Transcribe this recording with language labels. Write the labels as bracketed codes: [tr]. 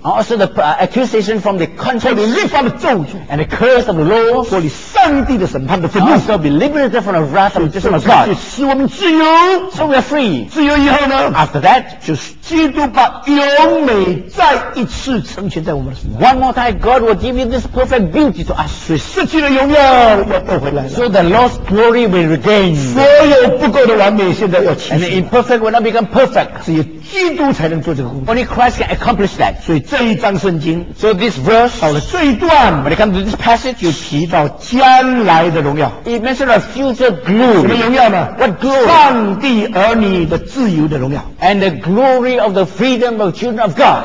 [en] ，Also the accusation from the conscience， [zh] 脱离律法的咒诅 [en] ，And the curse of the law， [zh] 脱离上帝的审判的愤怒 [en] ，Also be liberated from of wrath of just of God. [zh] 使我们自由 [en] So we are free. [zh] 自由以后呢 [en] After that, [zh] 就是基督把永美再一次呈现在我们的身上 [en] One more time, God will give you this perfect beauty to us. [zh] 所以失去了永远要得回来 [en] So the lost glory will regain. [zh] 所有不够的完美现在要起 [en] 来 And the imperfect will not become perfect. [zh] 只有基督才能做这个工作 [en] Only Christ can accomplish that. [zh] 所以这一章圣经 [en] So this verse, [zh] 到了这一段 [en] When it comes to this passage, [zh] 就提到将来的荣耀 [en] It mentions a future glory. [zh] 什么荣耀呢 [en] What glory? [zh] 上帝儿女的自由的荣耀 [en] And the glory of the freedom of children of God.